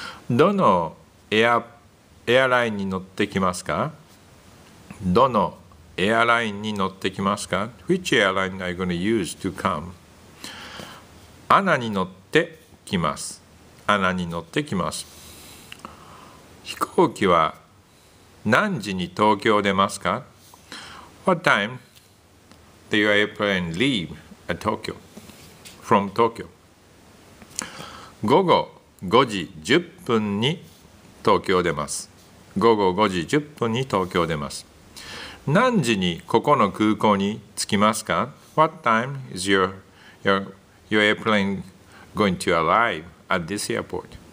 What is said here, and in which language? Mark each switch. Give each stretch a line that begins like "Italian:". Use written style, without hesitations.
Japanese: どのエアラインに乗ってきますか? どのエアラインに乗ってきますか?
English: Which airline are you going to use to come?
Japanese: アナに乗ってきます。アナに乗ってきます。飛行機は何時に東京出ますか?
English: What time do your airplane leave at Tokyo? From Tokyo.
Japanese: 午後5時10分に東京出ます。午後5時10分に東京出ます。何時にここの空港に着きますか?
English: What time is your airplane going to arrive at this airport?